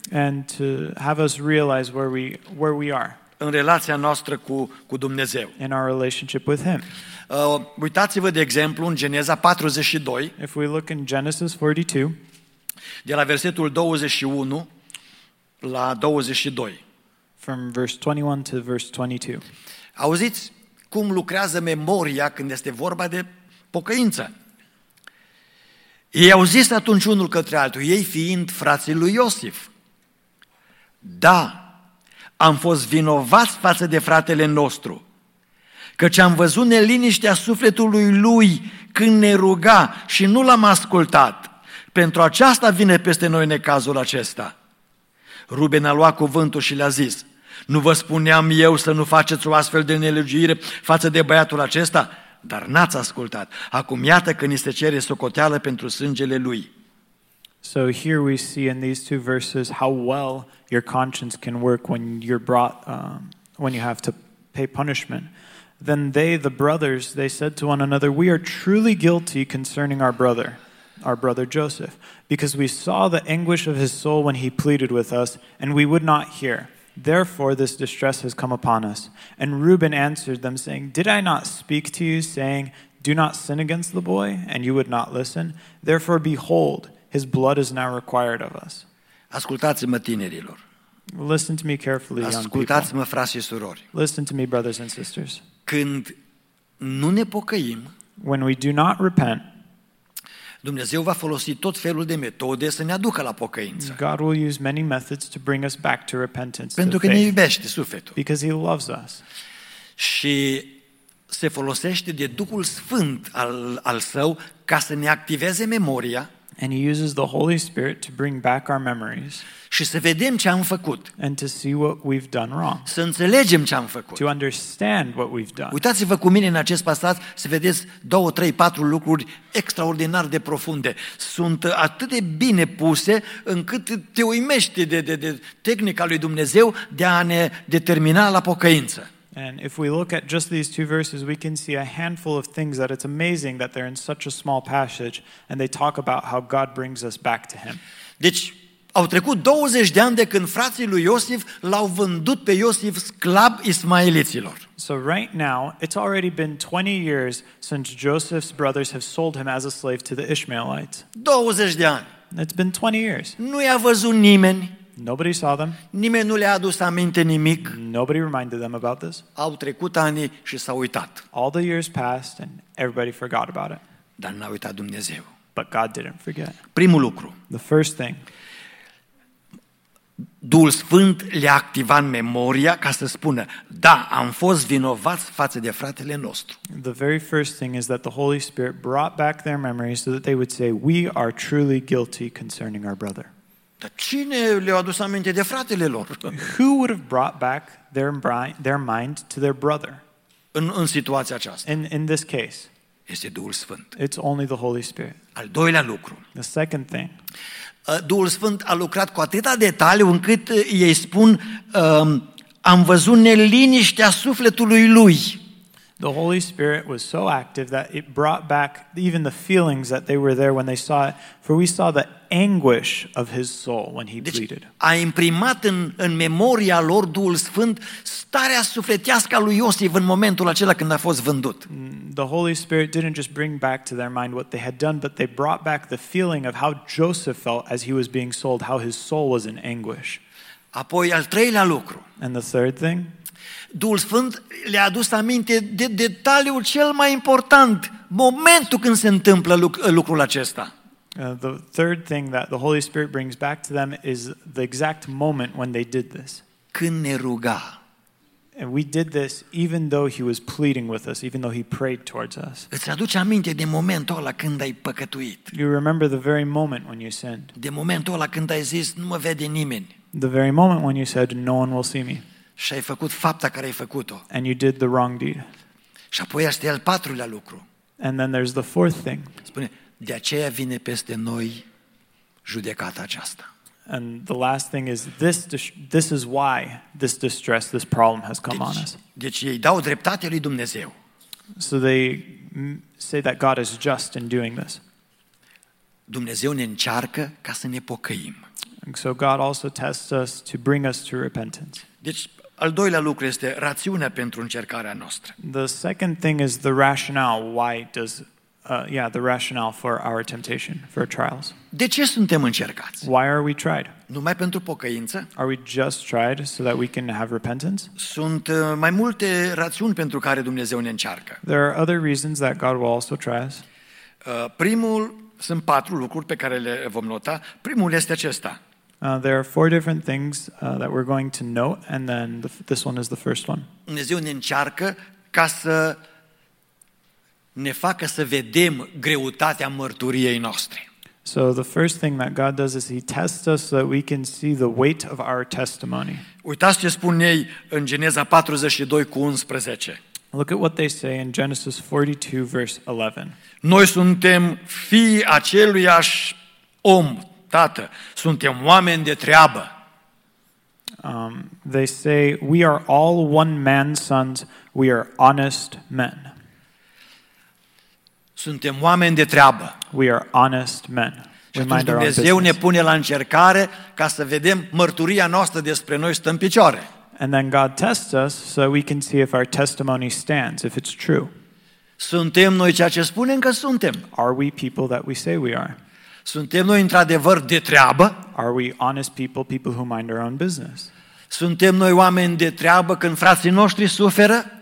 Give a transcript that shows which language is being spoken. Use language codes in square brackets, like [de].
[en] And to have us realize where we are. [ro] în relația noastră cu Dumnezeu. [en] In our relationship with him. [ro] Uitați-vă de exemplu în Geneza 42. [en] If we look in Genesis 42. [ro] De la versetul 21 la 22. [en] From verse 21 to verse 22. [ro] Auziți cum lucrează memoria când este vorba de pocăință. Ei au zis atunci unul către altul, ei fiind frații lui Iosif. Da, am fost vinovați față de fratele nostru, căci am văzut neliniștea sufletului lui când ne ruga și nu l-am ascultat. Pentru aceasta vine peste noi necazul acesta. Ruben a luat cuvântul și le-a zis, nu vă spuneam eu să nu faceți o astfel de nelegiuire față de băiatul acesta? Dar n-ați ascultat. Acum iată că ni se cere socoteală pentru sângele lui. [en] So here we see in these two verses how well your conscience can work when you're brought, when you have to pay punishment. Then they, the brothers, they said to one another, we are truly guilty concerning our brother Joseph, because we saw the anguish of his soul when he pleaded with us, and we would not hear. Therefore this distress has come upon us. And Reuben answered them, saying, did I not speak to you, saying, do not sin against the boy, and you would not listen? Therefore, behold, his blood is now required of us. [ro] Ascultați-mă, tinerilor. [en] Listen to me carefully, young people. [ro] Ascultați-mă, frați și surori. [en] Listen to me, brothers and sisters. [ro] Când nu ne pocăim, [en] when we do not repent, [ro] Dumnezeu va folosi tot felul de metode să ne aducă la pocăință. [en] God will use many methods to bring us back to repentance. [ro] Pentru că ne iubește sufletul. [en] Because he loves us. [ro] Și se folosește de Duhul Sfânt al său ca să ne activeze memoria. [en] And he uses the Holy Spirit to bring back our memories. [ro] Și să vedem ce am făcut. [en] And to see what we've done wrong. [ro] Să înțelegem ce am făcut. [en] To understand what we've done. [ro] Uitați-vă cu mine în acest pasaj să vedeți 2, 3, 4 lucruri extraordinar de profunde. Sunt atât de bine puse încât te uimești de tehnica lui Dumnezeu de a ne determina la pocăință. [en] And if we look at just these two verses, we can see a handful of things that it's amazing that they're in such a small passage and they talk about how God brings us back to him. [ro] Deci, au trecut 20 de ani de când frații lui Iosif l-au vândut pe Iosif sclav ismaeliților. [en] So right now, it's already been 20 years since Joseph's brothers have sold him as a slave to the Ishmaelites. [ro] 20 de ani. [en] It's been 20 years. [ro] Nu i-a văzut nimeni. [en] Nobody saw them. [ro] Nimeni nu le-a adus aminte nimic. [en] Nobody reminded them about this. [ro] Au trecut ani și s-au uitat. [en] All the years passed and everybody forgot about it. [ro] Dar n-a uitat Dumnezeu. [en] But God didn't forget. [ro] Primul lucru. [en] The first thing. [ro] Duhul Sfânt le-a activat memoria ca să spună, da, am fost vinovați față de fratele nostru. [en] The very first thing is that the Holy Spirit brought back their memory so that they would say, we are truly guilty concerning our brother. [ro] Dar cine le-a adus aminte de fratele lor? [en] Who would have brought back their mind to their brother? [ro] În situația aceasta. [en] In this case. [ro] Este Duhul Sfânt. [en] It's only the Holy Spirit. [ro] Al doilea lucru. [en] The second thing. [ro] Duhul Sfânt a lucrat cu atâta detaliu încât ei spun am văzut neliniștea sufletului lui. [en] The Holy Spirit was so active that it brought back even the feelings that they were there when they saw it. For we saw the anguish of his soul when he pleaded. [ro] A imprimat în memoria lor Duhul Sfânt starea sufletească a lui Iosif în momentul acela când a fost vândut. [en] The Holy Spirit didn't just bring back to their mind what they had done, but they brought back the feeling of how Joseph felt as he was being sold, how his soul was in anguish. [ro] Apoi, al treilea lucru. [en] And the third thing. [ro] Duhul Sfânt le-a adus aminte de detaliul cel mai important, momentul când se întâmplă lucrul acesta. [en] The third thing that the Holy Spirit brings back to them is the exact moment when they did this. [ro] Când ne ruga. [en] And we did this even though he was pleading with us, even though he prayed towards us. [ro] Îți aduce aminte de momentul ăla când ai păcătuit. [en] You remember the very moment when you sinned. [ro] De momentul ăla când ai zis, nu mă vede nimeni. [en] The very moment when you said, no one will see me. [ro] Și ai făcut fapta care ai făcut-o. [en] And you did the wrong deed. [ro] Și apoi este al patrulea lucru. [en] And then there's the fourth thing. [ro] Spune, de aceea vine peste noi judecata aceasta. [en] And the last thing is this is why this distress, this problem has come on us. [ro] Deci ei dau dreptate lui Dumnezeu. [en] So they say that God is just in doing this. [ro] Dumnezeu ne încearcă ca să ne pocăim. [en] And so God also tests us to bring us to repentance. [ro] Deci Al doilea lucru este rațiunea pentru încercarea noastră. [en] The second thing is the rationale. Why does the rationale for our temptation, for trials. [ro] De ce suntem încercați? [en] Why are we tried? [ro] Numai pentru pocăință? [en] Are we just tried so that we can have repentance? [ro] Sunt mai multe rațiuni pentru care Dumnezeu ne încearcă. [en] There are other reasons that God will also try us. [ro] Primul, sunt patru lucruri pe care le vom nota. Primul este acesta. [en] There are four different things that we're going to note, and then this one is the first one. [ro] Dumnezeu ne încearcă ca să ne facă să vedem greutatea mărturiei noastre. [en] So the first thing that God does is he tests us so that we can see the weight of our testimony. [ro] Uitați ce spune ei în Geneza 42:11. [en] Look at what they say in Genesis 42 verse 11. [ro] Noi suntem fii aceluiași om, tată, suntem oameni de treabă. [en] They say we are all one man's sons, we are honest men. [ro] Suntem oameni de treabă. [en] We are honest men. [ro] Și atunci Dumnezeu ne pune la încercare ca să vedem mărturia noastră despre noi stă în picioare. [en] And then God tests us so we can see if our testimony stands, if it's true. [ro] Suntem noi ceea ce spunem că suntem? [en] Are we people that we say we are? [ro] Suntem noi într-adevăr de treabă? [en] Are we honest people, people who mind their own business? [ro] Suntem noi oameni de treabă când frații noștri suferă?